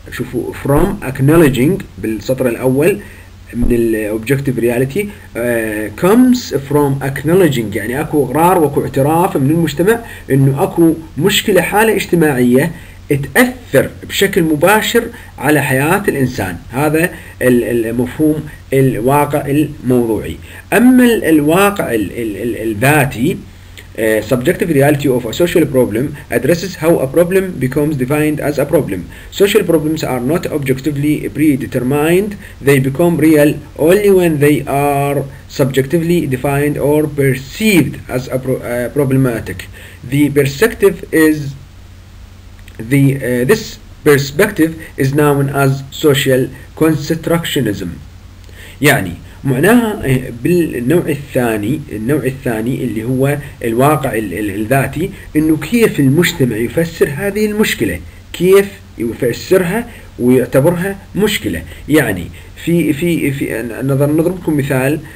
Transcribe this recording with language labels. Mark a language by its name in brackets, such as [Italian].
[Arabic] شوفوا from acknowledging بالسطر الاول من الـ [English] objective reality comes from acknowledging، [Arabic] يعني اكو اقرار واكو اعتراف من المجتمع انه اكو مشكلة، حالة اجتماعية تأثر بشكل مباشر على حياة الانسان. هذا المفهوم الواقع الموضوعي. اما الواقع الذاتي [English] subjective reality of a social problem addresses how a problem becomes defined as a problem. Social problems are not objectively predetermined. They become real only when they are subjectively defined or perceived as a problematic. The perspective is this perspective is known as social constructionism. [Arabic] يعني معناها بالنوع الثاني، اللي هو الواقع الذاتي، انه كيف المجتمع يفسر هذه المشكلة، كيف يفسرها ويعتبرها مشكلة. يعني في في في نضرب لكم مثال.